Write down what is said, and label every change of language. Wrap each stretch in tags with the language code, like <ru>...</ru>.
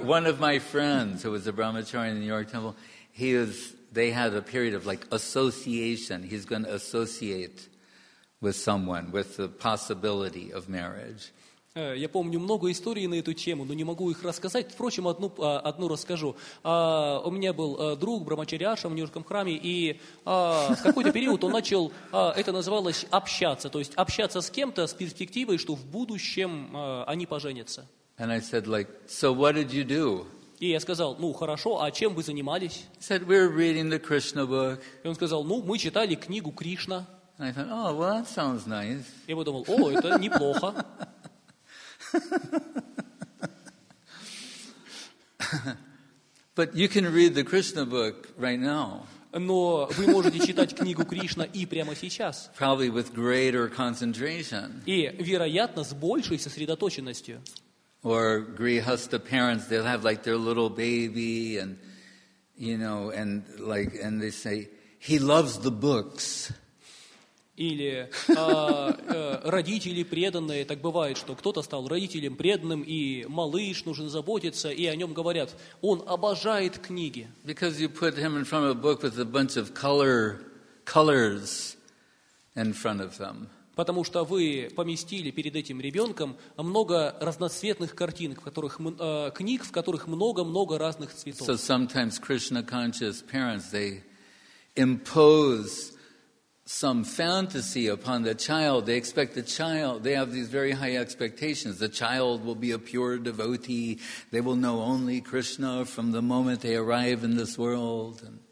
<en>one of my friends who was a brahmachari in the New York Temple. They had a period of like association. He's going to associate with someone with the possibility of marriage.</en> <ru>Я помню много историй на эту тему, но не могу их рассказать. Впрочем, одну расскажу. У меня был друг, брамачарьяша в Нью-Йоркском храме, и в какой-то период он начал, это называлось, общаться. То есть общаться с кем-то с перспективой, что в будущем они поженятся.</ru> <en>And I said, like, so what did you do?</en> <ru>И я сказал, ну хорошо, а чем вы занимались?</ru> <en>He said, we're reading the Krishna book.</en> <ru>И он сказал, ну мы читали книгу Кришна.</ru> <en>And I thought, oh, well, that sounds nice.</en> <ru>Я подумал, о, это неплохо.</ru> <en>But you can read the Krishna book right now.</en> <ru>Но вы можете читать книгу Кришна и прямо сейчас.</ru> <en>Probably with greater concentration.</en> <ru>И, вероятно, с большей сосредоточенностью.</ru> <en>Or grihastha parents, they'll have like their little baby, and you know, and like, and they say, he loves the books.</en> <ru>Или родители преданные, так бывает, что кто-то стал родителем преданным, и малыш нужен заботиться, и о нем говорят, он обожает книги.</ru> <en>Because you put him in front of a book with a bunch of colors in front of them.</en> <ru>Потому что вы поместили перед этим ребенком много разноцветных картинок, книг, в которых много-много разных цветов.</ru> <en>So sometimes Krishna-conscious parents, they impose some fantasy upon the child. They expect the child, they have these very high expectations. The child will be a pure devotee. They will know only Krishna from the moment they arrive in this world.</en>